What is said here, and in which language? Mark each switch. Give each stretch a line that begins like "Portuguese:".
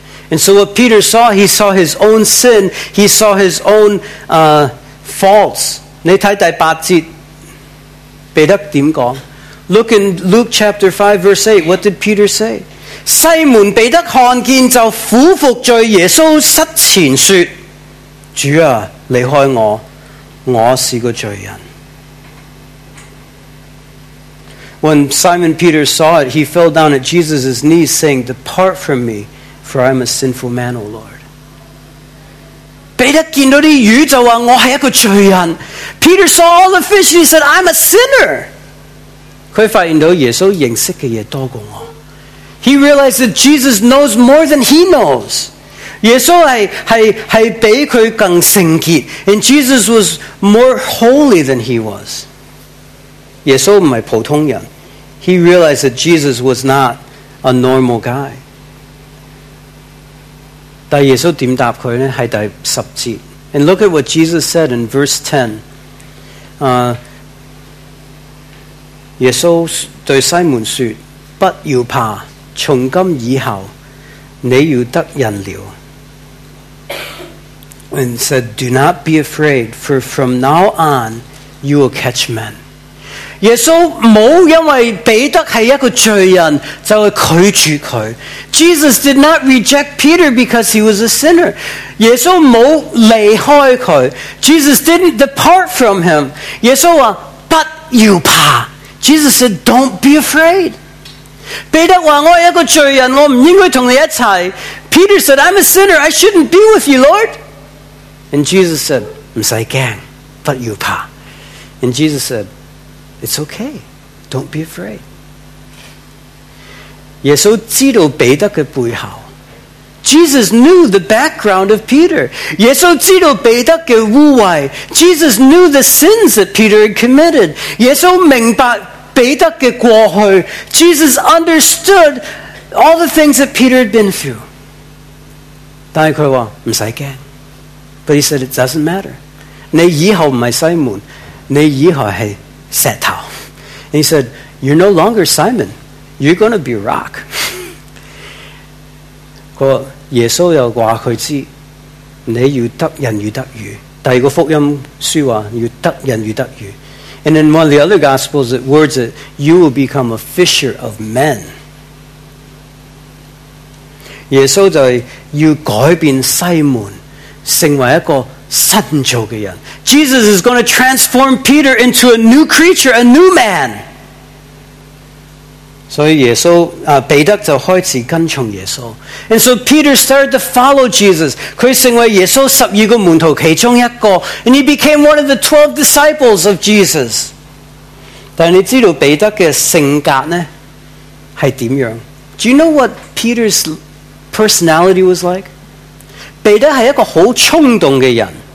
English: And so what Peter saw, he saw his own sin, he saw his own faults.
Chinese: 你看第八节彼得怎么说？
English: Look in Luke chapter 5 verse 8, what did Peter say?
Chinese: 西门彼得看见就俯伏在耶稣膝前说，主啊，离开我，我是个罪人。
English: When Simon Peter saw it, he fell down at Jesus' knees, saying, Depart from me, for I am a sinful man, O Lord. Peter saw all the fish and he said, I'm a sinner. He realized that Jesus knows more than he knows.
Chinese: 耶稣是比他更圣洁，
English: and Jesus was more holy than he was.
Chinese: 耶稣不是普通人。
English: He realized that Jesus was not a normal guy.
Chinese: 但耶稣怎么回答他呢？是第十节。
English: And look at what Jesus said in verse 10.
Chinese: 耶稣对西门说，不要怕，从今以后你要得人了。
English: And said, do not be afraid, for from now on you will catch men.
Chinese: 耶稣没有因为彼得是一个罪人就拒绝他。
English: Jesus did not reject Peter because he was a sinner.
Chinese: 耶稣没有离开他。
English: Jesus didn't depart from him.
Chinese: 耶稣说不要怕。
English: Jesus said don't be afraid.
Chinese: 彼得说我是一个罪人，我不应该跟你一起。
English: Peter said I'm a sinner, I shouldn't be with you, Lord. And Jesus said
Chinese: 不用怕，不要怕。
English: And Jesus saidIt's okay. Don't be afraid.
Chinese: 耶稣知道彼得的背后。
English: Jesus knew the background of Peter.
Chinese: 耶稣知道彼得的污秽。
English: Jesus knew the sins that Peter had committed.
Chinese: 耶稣明白彼得的过去。
English: Jesus understood all the things that Peter had been through.
Chinese: 但是他说，不用怕。
English: But he said, it doesn't matter.
Chinese: 你以后不是西门，你以后是石头。
English: And he said, you're no longer Simon, you're going to be a rock.
Chinese: 耶稣又告诉他，不你要得人如得鱼。第二个福音书话要得人如得鱼。
English: And in one of the other gospels, it words it, you will become a fisher of men.
Chinese: 耶稣就是要改变西门，成为一个新造的人。
English: Jesus is going to transform Peter into a new creature, a new man.
Chinese: 所以耶稣彼得就开始跟从耶稣。
English: And so Peter started to follow Jesus.
Chinese: 他成为耶稣十二个门徒其中一个。
English: And he became one of the 12 disciples of Jesus.
Chinese: 但你知道彼得的性格呢是怎样？
English: Do you know what Peter's personality was like?
Chinese: 彼得是一个很冲动的人。